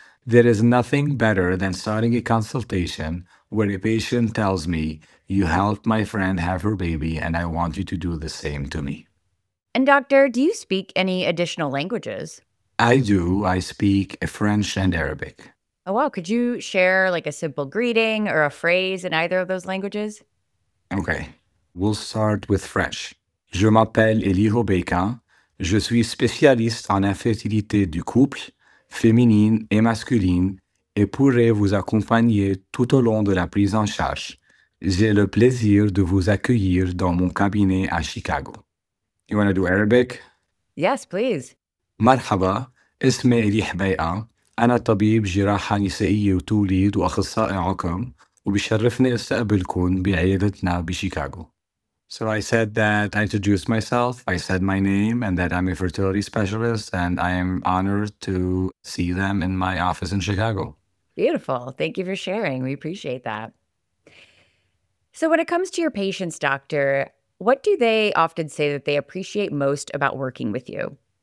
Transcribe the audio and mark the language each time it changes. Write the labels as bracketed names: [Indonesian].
[English] There is nothing better than starting a consultation where a patient tells me, "You helped my friend have her baby, and I want you to do the same to me." And doctor, do you speak any additional languages? I do. I speak French and Arabic. Oh, wow. Could you share like a simple greeting or a phrase in either of those languages? Okay. We'll start with French. [French] Je m'appelle Elie Hobeka. Je suis spécialiste en infertilité du couple, féminine et masculine, et pourrai vous accompagner tout au long de la prise en charge. J'ai le plaisir de vous accueillir dans mon cabinet à Chicago. [English] You want to do Arabic? Yes, please. [Arabic] مرحبا. اسمي إلي حبيقة. أنا طبيب جراحة نسائية وتوليد وأخصائي عقم. وبيشرفني استقبلكم بعيادتنا بشيكاغو. [English] So I said that I introduced myself, I said my name, and that I'm a fertility specialist, and I am honored to see them in my office in Chicago. Beautiful. Thank you for sharing. We appreciate that. So when it comes to your patients, doctor, what do they often say that they appreciate most about working with you?